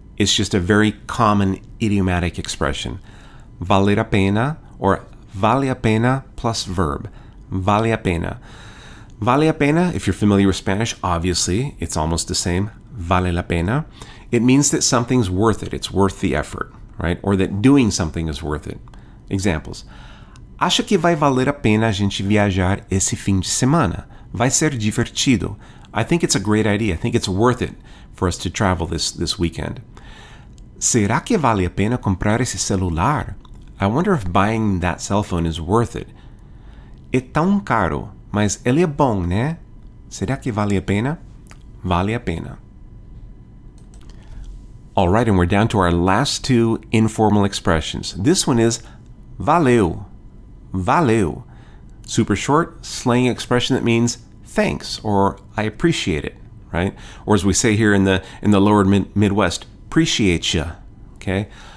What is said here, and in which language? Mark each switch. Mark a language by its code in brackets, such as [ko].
[en] It's just a very common idiomatic expression. Valer a pena, or vale a pena plus verb. Vale a pena. Vale a pena, if you're familiar with Spanish, obviously, it's almost the same. Vale la pena. It means that something's worth it. It's worth the effort, right? Or that doing something is worth it. Examples. [pt] Acho que vai valer a pena a gente viajar esse fim de semana. Vai ser divertido. [en] I think it's a great idea. I think it's worth it for us to travel this weekend. [pt] Será que vale a pena comprar esse celular? [en] I wonder if buying that cell phone is worth it. [pt] É tão caro, mas ele é bom, né? Será que vale a pena? Vale a pena. [en] All right, and we're down to our last two informal expressions. This one is [pt] valeu. Valeu. [en] Super short, slang expression that means thanks or I appreciate it, right? Or as we say here in the lower Midwest, appreciate ya. Okay?